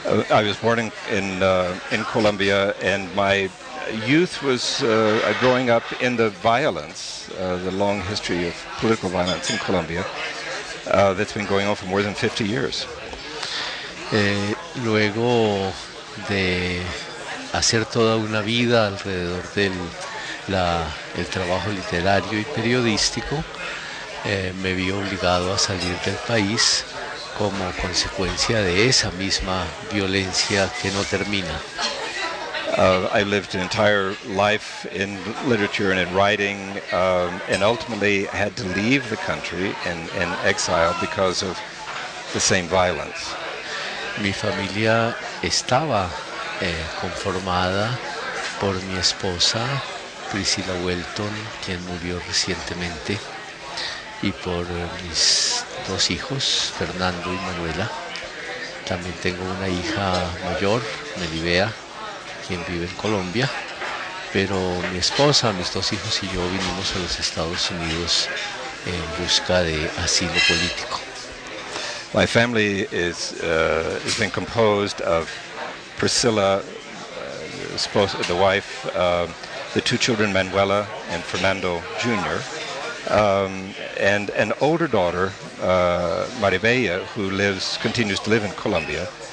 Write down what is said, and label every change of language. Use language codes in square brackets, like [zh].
[en] I was born in Colombia, and my youth was growing up in the violence, the long history of political violence in Colombia, that's been going on for more than 50 years. [es] Luego de hacer toda una vida alrededor del el trabajo literario y periodístico, me vi obligado a salir del país como consecuencia de esa misma violencia que no termina. [en] I lived an entire life in literature and in writing, and ultimately had to leave the country in exile because of the same violence. [es] Mi familia estaba conformada por mi esposa Priscilla Welton, quien murió recientemente, y por mis dos hijos, Fernando y Manuela. También tengo una hija mayor, Melibea, quien vive en Colombia. Pero mi esposa, mis dos hijos y yo vinimos a los Estados Unidos en busca de asilo político. [en] My family is been composed of Priscilla, the wife, the two children, Manuela and Fernando Jr., and an older daughter, Maribella, who continues to live in Colombia.